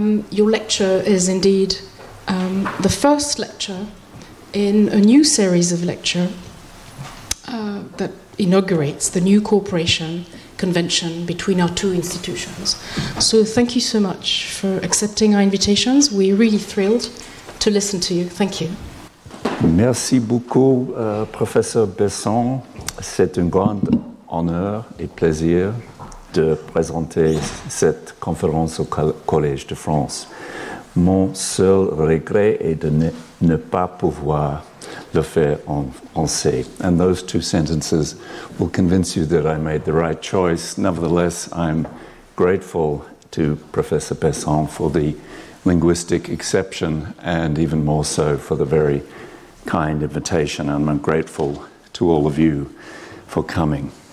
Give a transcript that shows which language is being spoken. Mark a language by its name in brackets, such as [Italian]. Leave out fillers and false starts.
[English] Your lecture is indeed the first lecture in a new series of lecture that inaugurates the new cooperation convention between our two institutions. So thank you so much for accepting our invitations. We're really thrilled to listen to you. Thank you. [French] Merci beaucoup, Professeur Besson. C'est un grand honneur et plaisir de présenter cette conférence au Collège de France. Mon seul regret est de ne pas pouvoir le faire en français. [English] And those two sentences will convince you that I made the right choice. Nevertheless, I'm grateful to Professor Besson for the linguistic exception and even more so for the very kind invitation. And I'm grateful to all of you for coming.